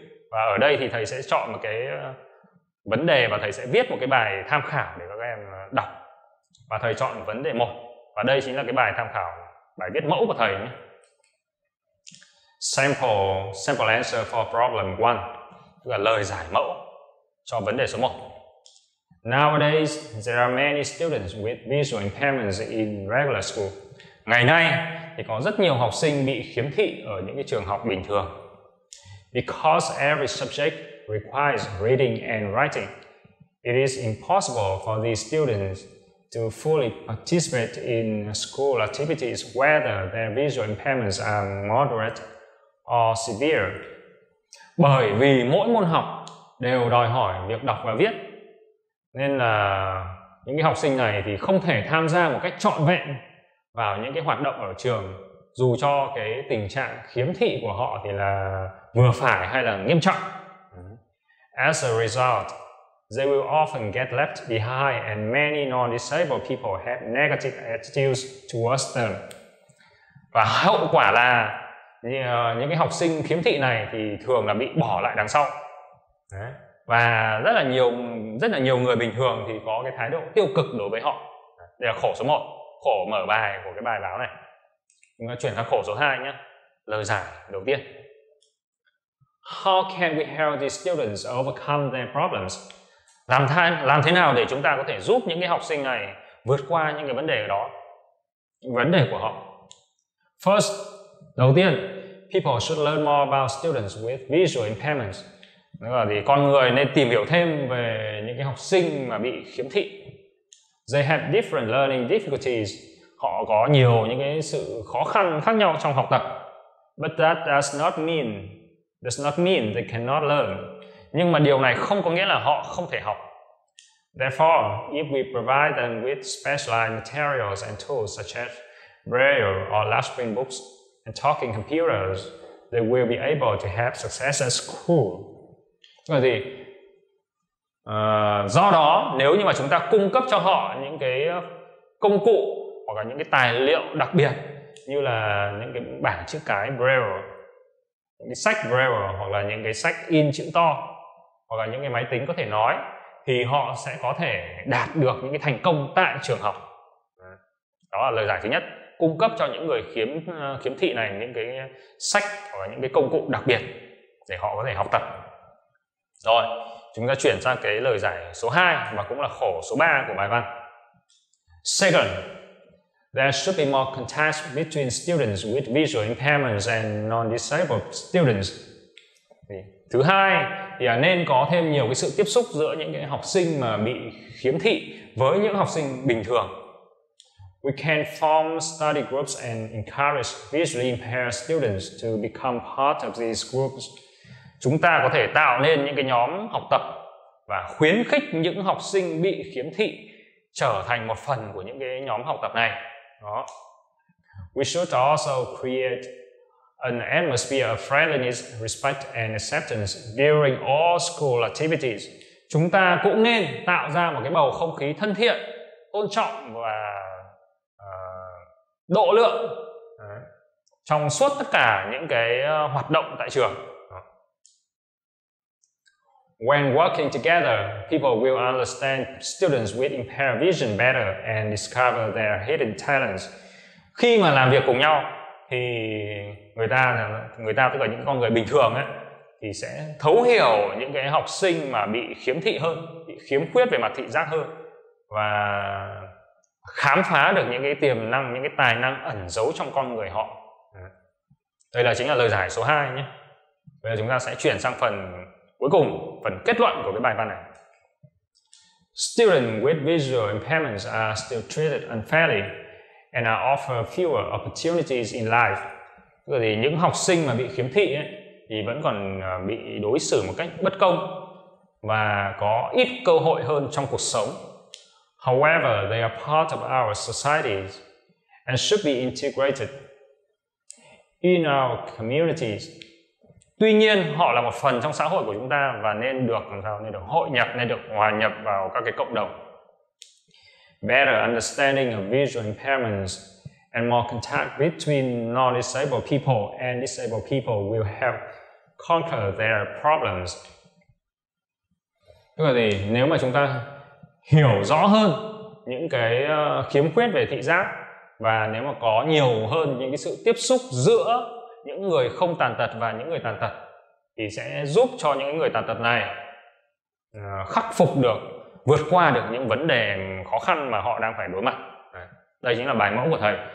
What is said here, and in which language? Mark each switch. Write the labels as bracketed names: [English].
[Vietnamese] Và ở đây thì thầy sẽ chọn một cái vấn đề và thầy sẽ viết một cái bài tham khảo để các em đọc. Và thầy chọn vấn đề 1. Và đây chính là cái bài tham khảo, bài viết mẫu của thầy nhé. [English] Sample answer for problem 1. [Vietnamese] Tức là lời giải mẫu cho vấn đề số 1. [English] Nowadays, there are many students with visual impairments in regular school. [Vietnamese] Ngày nay, thì có rất nhiều học sinh bị khiếm thị ở những cái trường học bình thường. [English] Because every subject requires reading and writing, it is impossible for these students to fully participate in school activities whether their visual impairments are moderate or severe. [Vietnamese] Bởi vì mỗi môn học đều đòi hỏi việc đọc và viết, nên là những cái học sinh này thì không thể tham gia một cách trọn vẹn vào những cái hoạt động ở trường, dù cho cái tình trạng khiếm thị của họ thì là vừa phải hay là nghiêm trọng. [English] As a result, they will often get left behind and many non-disabled people have negative attitudes towards them. [Vietnamese] Và hậu quả là những cái học sinh khiếm thị này thì thường là bị bỏ lại đằng sau. Và rất là nhiều người bình thường thì có cái thái độ tiêu cực đối với họ. Đây là khổ số 1, khổ mở bài của cái bài báo này. Chúng ta chuyển sang khổ số 2 nhé. Lời giải đầu tiên. [English] How can we help the students overcome their problems? [Vietnamese] Làm thế nào để chúng ta có thể giúp những cái học sinh này vượt qua những cái vấn đề đó, vấn đề của họ? [English] First, [Vietnamese] đầu tiên, [English] people should learn more about students with visual impairments. [Vietnamese] Nói là thì con người nên tìm hiểu thêm về những cái học sinh mà bị khiếm thị. [English] They have different learning difficulties. [Vietnamese] Họ có nhiều những cái sự khó khăn khác nhau trong học tập. [English] But that does not mean they cannot learn. [Vietnamese] Nhưng mà điều này không có nghĩa là họ không thể học. [English] Therefore, if we provide them with specialized materials and tools such as Braille or large screen books and talking computers, they will be able to have success at school. [Vietnamese] Là gì? Do đó, nếu như mà chúng ta cung cấp cho họ những cái công cụ hoặc là những cái tài liệu đặc biệt như là những cái bảng chữ cái Braille, những cái sách Braille hoặc là những cái sách in chữ to hoặc là những cái máy tính có thể nói, thì họ sẽ có thể đạt được những cái thành công tại trường học. Đó là lời giải thứ nhất. Cung cấp cho những người khiếm thị này những cái sách hoặc là những cái công cụ đặc biệt để họ có thể học tập. Rồi, chúng ta chuyển sang cái lời giải số 2 và cũng là khổ số 3 của bài văn. [English] Second, there should be more contact between students with visual impairments and non-disabled students. [Vietnamese] Thứ hai thì nên có thêm nhiều cái sự tiếp xúc giữa những cái học sinh mà bị khiếm thị với những học sinh bình thường. [English] We can form study groups and encourage visually impaired students to become part of these groups. [Vietnamese] Chúng ta có thể tạo nên những cái nhóm học tập và khuyến khích những học sinh bị khiếm thị trở thành một phần của những cái nhóm học tập này. Đó. [English] We should also create an atmosphere of friendliness, respect and acceptance during all school activities. [Vietnamese] Chúng ta cũng nên tạo ra một cái bầu không khí thân thiện, tôn trọng và độ lượng trong suốt tất cả những cái hoạt động tại trường. [English] When working together, people will understand students with impaired vision better and discover their hidden talents. [Vietnamese] Khi mà làm việc cùng nhau thì người ta tức là những con người bình thường ấy, thì sẽ thấu hiểu những cái học sinh mà bị khiếm thị hơn, bị khiếm khuyết về mặt thị giác hơn, và khám phá được những cái tiềm năng, những cái tài năng ẩn giấu trong con người họ. Đây là chính là lời giải số 2 nhé. Bây giờ chúng ta sẽ chuyển sang phần cuối cùng, phần kết luận của cái bài văn này. [English] Students with visual impairments are still treated unfairly and are offered fewer opportunities in life. [Vietnamese] Tức là những học sinh mà bị khiếm thị ấy, thì vẫn còn bị đối xử một cách bất công và có ít cơ hội hơn trong cuộc sống. However, they are part of our societies and should be integrated in our communities. Tuy nhiên, họ là một phần trong xã hội của chúng ta và nên được làm sao? Nên được hội nhập, nên được hòa nhập vào các cái cộng đồng. [English] Better understanding of visual impairments and more contact between non-disabled people and disabled people will help conquer their problems. [Vietnamese] Tức là gì? Nếu mà chúng ta hiểu rõ hơn những cái khiếm khuyết về thị giác và nếu mà có nhiều hơn những cái sự tiếp xúc giữa những người không tàn tật và những người tàn tật thì sẽ giúp cho những người tàn tật này khắc phục được, vượt qua được những vấn đề khó khăn mà họ đang phải đối mặt. Đây chính là bài mẫu của thầy.